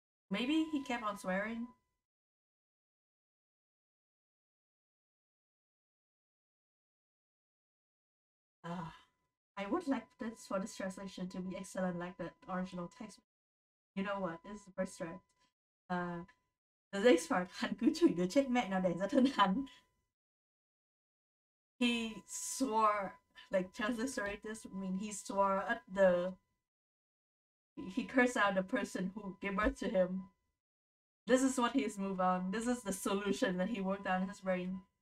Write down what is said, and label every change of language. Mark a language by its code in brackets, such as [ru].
[en] Maybe he kept on swearing. I would like this for this translation to be excellent, like the original text. You know what? This is the first draft. The next part, [vi] hắn cứ chửi đứa chết mẹ nào đẻ ra thân hắn. [en] He swore, like transliterate this, I mean he swore at the, he cursed out the person who gave birth to him. This is what he's moved on. This is the solution that he worked on in his brain.